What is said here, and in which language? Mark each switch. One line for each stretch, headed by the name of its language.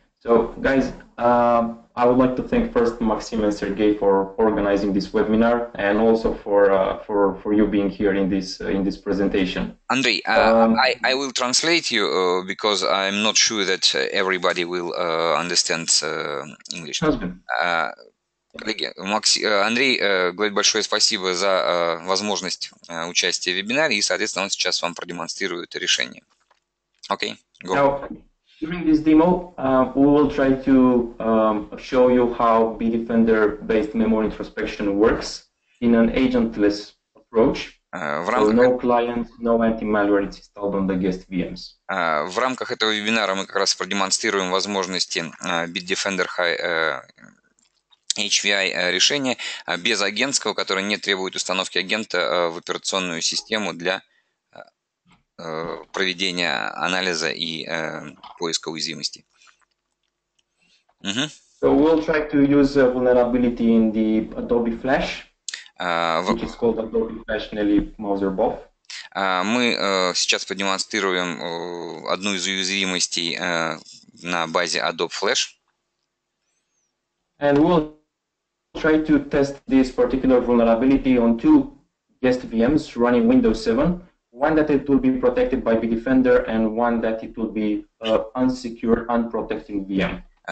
English: So, guys, I would like to thank first Maxim and Sergey for organizing this webinar, and also for you being here in this presentation. Andrey, I will translate you because I'm not sure that everybody will understand English.
Russian: Коллеги, Андрей, говорит большое спасибо за возможность участия в вебинаре, и, соответственно, он сейчас вам продемонстрирует решение.
English: Окей, go. Now, during this demo, we will try to show you how Bitdefender-based memory introspection works in an agentless approach. No clients, no anti-malware installed on the guest VMs.
Russian: В рамках этого вебинара мы как раз продемонстрируем возможности Bitdefender HVI решение без агентского, которое не требует установки агента в операционную систему для проведения анализа и поиска уязвимости.
English: So we'll try to use a vulnerability in the Adobe Flash, which is called Adobe Flash Nelly Mouser Buff.
Russian: Мы сейчас продемонстрируем одну из уязвимостей на базе Adobe Flash.
English: And we'll try to test this particular vulnerability on two guest VMs running Windows 7, one that it will be protected by Bitdefender and one that it will be unsecure, unprotected VM.